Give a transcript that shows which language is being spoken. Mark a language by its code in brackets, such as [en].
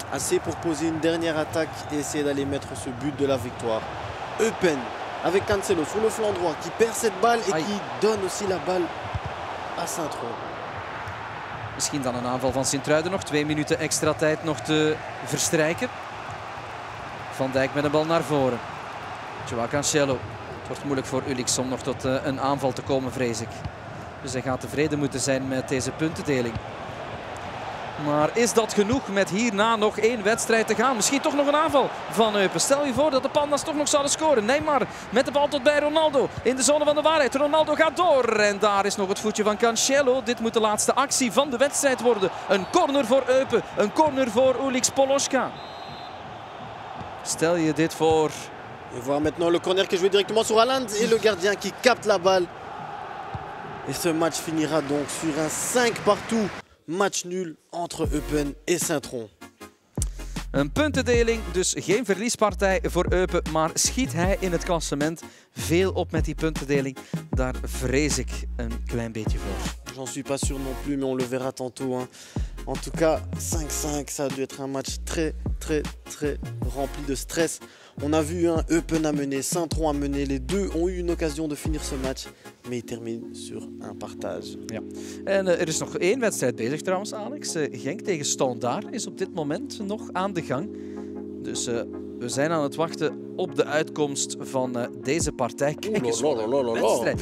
[fr] Assez pour poser une dernière attaque et essayer d'aller mettre ce but de la victoire. Eupen avec Cancelo sur le flanc droit qui perd cette balle et qui donne aussi la balle à Saint-Truiden. [nl] Misschien dan een aanval van Sint-Truiden nog. 2 minuten extra tijd nog te verstrijken. Van Dijk met een bal naar voren. João Cancelo. Het wordt moeilijk voor Uliks om nog tot een aanval te komen, vrees ik. Dus hij gaat tevreden moeten zijn met deze puntendeling. Maar is dat genoeg met hierna nog één wedstrijd te gaan? Misschien toch nog een aanval van Eupen. Stel je voor dat de Pandas toch nog zouden scoren. Neymar met de bal tot bij Ronaldo. In de zone van de waarheid. Ronaldo gaat door. En daar is nog het voetje van Cancelo. Dit moet de laatste actie van de wedstrijd worden. Een corner voor Eupen. Een corner voor Ulix Poloska. Stel je dit voor. [fr] We voir maintenant le corner qui joue directement sur Haaland et le gardien qui capte la balle. Et ce match finira donc sur un 5 partout. Match nul entre Eupen et Saint-Tron. [nl] Een puntendeling, dus geen verliespartij voor Eupen. Maar schiet hij in het klassement veel op met die puntendeling? Daar vrees ik een klein beetje voor. [fr] J'en suis pas sûr non plus, mais on le verra tantôt. Hein. En tout cas, 5-5, ça a dû être un match très, très, très rempli de stress. On a vu un Eupen à mener, Saint-Tron à mener. Les deux ont eu une occasion de finir ce match, mais ils terminent sur un partage. [nl] Ja. En er is nog één wedstrijd bezig trouwens, Alex. Genk tegen Standard is op dit moment nog aan de gang. Dus we zijn aan het wachten op de uitkomst van deze partij. Kijk eens, wat een wedstrijd.